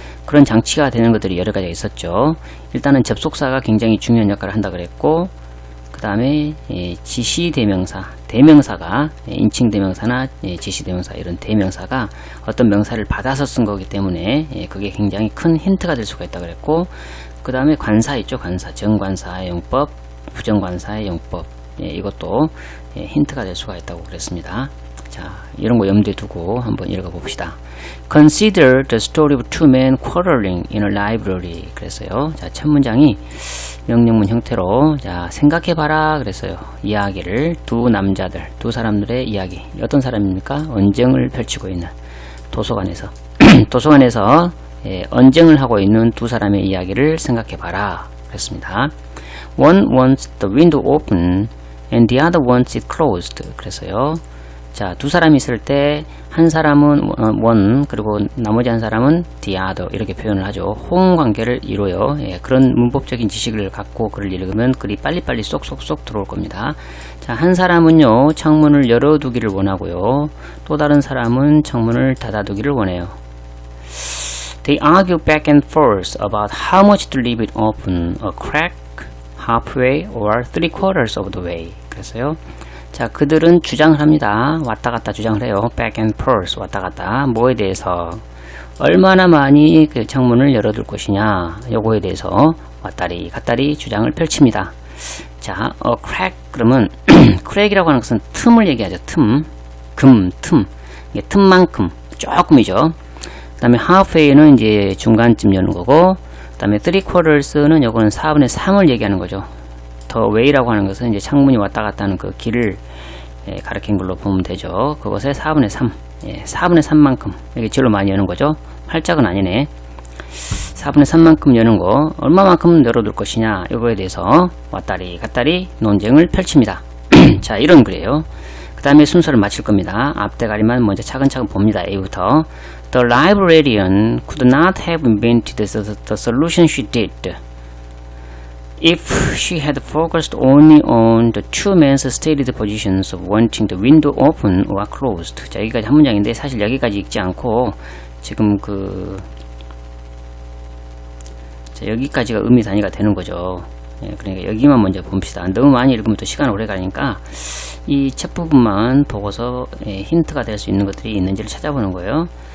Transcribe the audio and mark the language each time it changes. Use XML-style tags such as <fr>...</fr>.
<ko>그런 장치가 되는 것들이 여러 가지가 있었죠. 일단은 접속사가 굉장히 중요한 역할을 한다 그랬고, 그 다음에 지시대명사, 대명사가 인칭대명사나 지시대명사 이런 대명사가 어떤 명사를 받아서 쓴 거기 때문에 그게 굉장히 큰 힌트가 될 수가 있다 그랬고, 그 다음에 관사 있죠. 관사, 정관사의 용법, 부정관사의 용법, 이것도 힌트가 될 수가 있다고 그랬습니다. 자, 이런 거 염두에 두고 한번 읽어 봅시다.</ko> <en>Consider the story of two men quarreling in a library.</en> <ko>그랬어요. 자, 첫 문장이 명령문 형태로, 자, 생각해 봐라 그랬어요. 이야기를, 두 남자들, 두 사람들의 이야기. 어떤 사람입니까? 언쟁을 펼치고 있는 도서관에서 도서관에서 언쟁을 하고 있는 두 사람의 이야기를 생각해 봐라 그랬습니다.</ko> <en>One wants the window open and the other wants it closed.</en> <ko>그랬어요. 자, 두 사람이 있을 때 한 사람은 one, 그리고 나머지 한 사람은 the other, 이렇게 표현을 하죠. 호응관계를 이루어요. 예, 그런 문법적인 지식을 갖고 글을 읽으면 글이 빨리빨리 쏙쏙쏙 들어올 겁니다. 자, 한 사람은요 창문을 열어두기를 원하고요, 또 다른 사람은 창문을 닫아두기를 원해요.</ko> <en>They argue back and forth about how much to leave it open, a crack, halfway, or three quarters of the way.</en> <ko>그랬어요. 자, 그들은 주장을 합니다. 왔다 갔다 주장을 해요.</ko> <en>back and forth,</en> <ko>왔다 갔다. 뭐에 대해서? 얼마나 많이 그 창문을 열어둘 것이냐? 요거에 대해서 왔다리 갔다리 주장을 펼칩니다. 자, a crack, 그러면, crack이라고 하는 것은 틈을 얘기하죠. 틈. 금, 틈. 이게 틈만큼. 조금이죠. 그 다음에 halfway는 이제 중간쯤 여는 거고, 그 다음에 three quarters는 요거는 4분의 3을 얘기하는 거죠. 더 웨이라고 하는 것은 이제 창문이 왔다 갔다 하는 그 길을 가리킨 걸로 보면 되죠. 그것의 4분의 3, 예, 4분의 3만큼 이렇게 제일 많이 여는 거죠. 활짝은 아니네. 4분의 3만큼 여는 거, 얼마만큼 열어둘 것이냐, 이거에 대해서 왔다리 갔다리 논쟁을 펼칩니다. 자, 이런 글이에요. 그 다음에 순서를 마칠 겁니다. 앞대가리만 먼저 차근차근 봅니다. A부터.</ko> <en>The librarian could not have invented the solution she did if she had focused only on the two men's stated positions of wanting the window open or closed.</en> <ko>자, 여기까지 한 문장인데 사실 여기까지 읽지 않고 지금 그 자, 여기까지가 의미 단위가 되는 거죠. 예, 그러니까 여기만 먼저 봅시다. 너무 많이 읽으면 또 시간 오래 가니까 이 첫 부분만 보고서 힌트가 될 수 있는 것들이 있는지를 찾아보는 거예요.</ko>